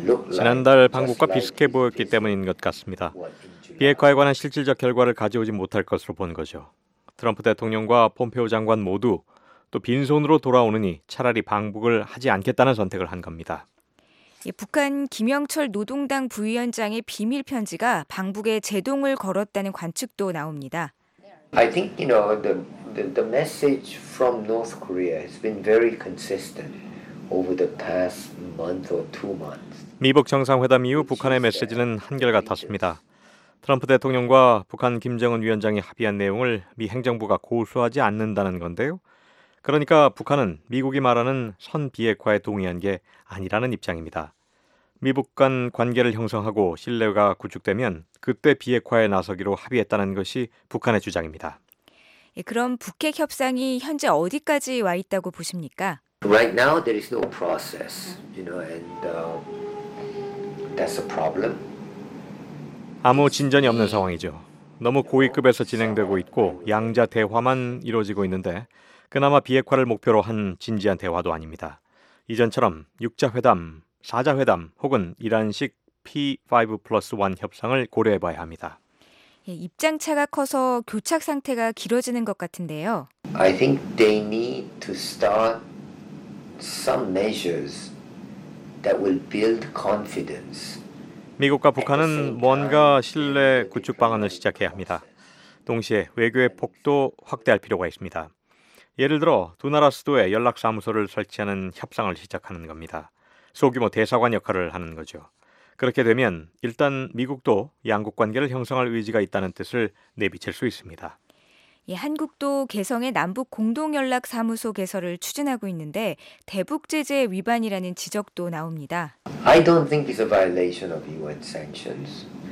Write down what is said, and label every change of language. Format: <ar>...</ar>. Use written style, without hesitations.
<ko>지난달 방북과 비슷해 보였기 때문인 것 같습니다. 비핵화에 관한 실질적 결과를 가져오지 못할 것으로 본 거죠. 트럼프 대통령과 폼페오 장관 모두 또 빈손으로 돌아오느니 차라리 방북을 하지 않겠다는 선택을 한 겁니다. 북한 김영철 노동당 부위원장의 비밀 편지가 방북에 제동을 걸었다는 관측도 나옵니다.</ko> <en>I think you know the message from North Korea has been very consistent over the past month or two months.</en> <ko>미북 정상회담 이후 북한의 메시지는 한결같았습니다. 트럼프 대통령과 북한 김정은 위원장이 합의한 내용을 미 행정부가 고수하지 않는다는 건데요. 그러니까 북한은 미국이 말하는 선비핵화에 동의한 게 아니라는 입장입니다. 미북 간 관계를 형성하고 신뢰가 구축되면 그때 비핵화에 나서기로 합의했다는 것이 북한의 주장입니다. 그럼 북핵 협상이 현재 어디까지 와 있다고 보십니까?</ko> <en>Right now there is no process, you know, and that's a problem.</en> <ko>아무 진전이 없는 상황이죠. 너무 고위급에서 진행되고 있고 양자 대화만 이루어지고 있는데 그나마 비핵화를 목표로 한 진지한 대화도 아닙니다. 이전처럼 6자 회담, 4자 회담 혹은 이란식 P5 플러스 1 협상을 고려해봐야 합니다. 예, 입장차가 커서 교착 상태가 길어지는 것 같은데요.</ko> <en>I think they need to start some measures that will build confidence.</en> <ko>미국과 북한은 뭔가 신뢰 구축 방안을 시작해야 합니다. 동시에 외교의 폭도 확대할 필요가 있습니다. 예를 들어 두 나라 수도에 연락사무소를 설치하는 협상을 시작하는 겁니다. 소규모 대사관 역할을 하는 거죠. 그렇게 되면 일단 미국도 양국 관계를 형성할 의지가 있다는 뜻을 내비칠 수 있습니다. 예, 한국도 개성에 남북 공동연락사무소 개설을 추진하고 있는데 대북 제재 위반이라는 지적도 나옵니다.</ko> <en>I don't think it's a violation of UN sanctions.</en>